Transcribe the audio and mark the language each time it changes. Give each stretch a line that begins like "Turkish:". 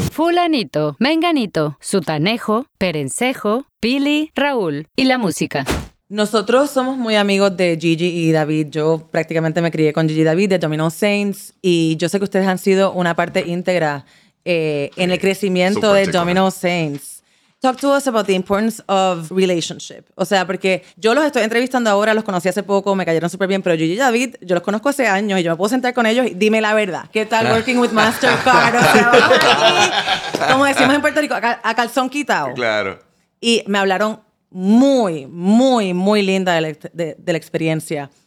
Spanish: Fulanito, Menganito, Sutanejo, Perencejo, Pili, Raúl y la música. Nosotros somos muy amigos de Gigi y David. Yo prácticamente me crié con Gigi y David de Domino Saints. Y yo sé que ustedes han sido una parte íntegra en el crecimiento de Domino Saints.
English: Talk to us about the importance of relationship.
Spanish: O sea, porque yo los estoy entrevistando ahora, los conocí hace poco, me cayeron súper bien, pero Gigi y David, yo los conozco hace años y yo me puedo sentar con ellos y dime la verdad. ¿Qué tal
English: working with Mastercard?
Spanish: O sea, como decimos en Puerto Rico, a calzón quitado. Claro. Y me hablaron muy, muy, muy linda de la experiencia.